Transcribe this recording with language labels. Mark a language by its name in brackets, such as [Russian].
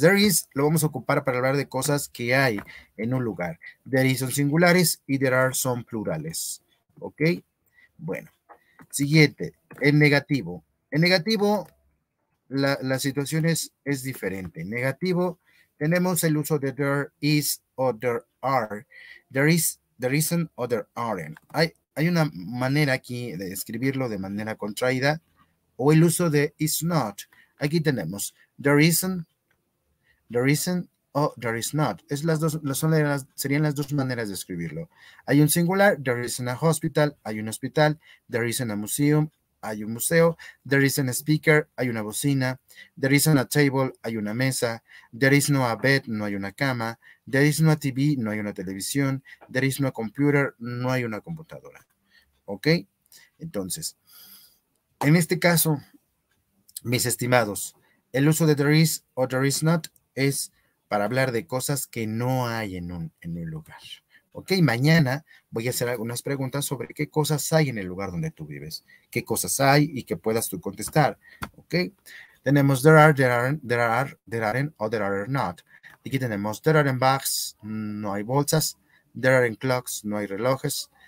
[English] There is [Spanish] lo vamos a ocupar para hablar de cosas que hay en un lugar. [English] There is [Spanish] son singulares y [English] there are [Spanish] son plurales. ¿Ok? Bueno, siguiente, el negativo. En negativo, la situación es diferente. En negativo, tenemos el uso de [English] there is [Spanish] o [English] there are. There is, there isn't o there aren't. [Spanish] Hay una manera aquí de escribirlo de manera contraída o el uso de is not. Aquí tenemos [English] there isn't [Spanish] o [English] there is not. [Spanish] Es serían las dos maneras de escribirlo. Hay un singular, [English] there isn't a hospital, [Spanish] hay un hospital. [English] There isn't a museum, [Spanish] hay un museo. [English] There isn't a speaker, [Spanish] hay una bocina. [English] There isn't a table, [Spanish] hay una mesa. [English] There is no a bed, [Spanish] no hay una cama. [English] There is no a TV, [Spanish] no hay una televisión. [English] There is no a computer, [Spanish] no hay una computadora. ¿Ok? Entonces, en este caso, mis estimados, el uso de [English] there is [Spanish] o [English] there is not [Spanish] es para hablar de cosas que no hay en un lugar. ¿Ok? Mañana voy a hacer algunas preguntas sobre qué cosas hay en el lugar donde tú vives. ¿Qué cosas hay y que puedas tú contestar? ¿Ok? Tenemos [English] there aren't [Spanish] o [English] there are not. [Spanish] Aquí tenemos [English] there aren't bags, [Spanish] no hay bolsas. [English] There aren't clocks, [Spanish] no hay relojes.